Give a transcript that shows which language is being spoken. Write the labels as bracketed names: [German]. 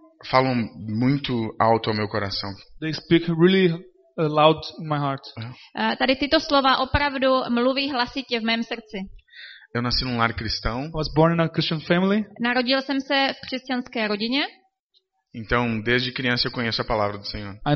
[Portuguese] Falam muito alto ao meu coração. [English] They speak really loud in my heart. [Czech] Tady tyto slova opravdu mluví hlasitě v mém srdci. [Portuguese] Eu nasci num lar cristão. [English] I was born in a Christian family. [Czech] Narodil jsem se v křesťanské rodině. [Portuguese] Então, desde criança eu conheço a palavra do Senhor.